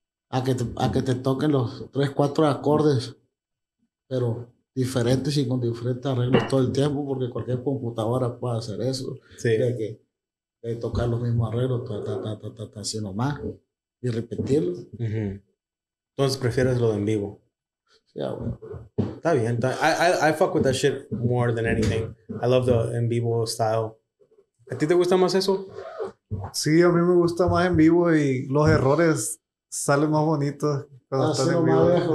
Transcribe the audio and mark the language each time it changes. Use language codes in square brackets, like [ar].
[es] A que te toquen los tres, cuatro acordes, pero diferentes y con diferentes arreglos todo el tiempo, porque cualquier computadora puede hacer eso. Sí. De tocar los mismos arreglos, así nomás, y repetirlos. Uh-huh. Entonces, ¿prefieres lo de en vivo? Sí, yeah, bueno. Está bien. [en] I fuck with that shit more than anything. I love the en vivo style. [es] ¿A ti te gusta más eso? Sí, a mí me gusta más en vivo y los errores salen más bonitos cuando están en vivo.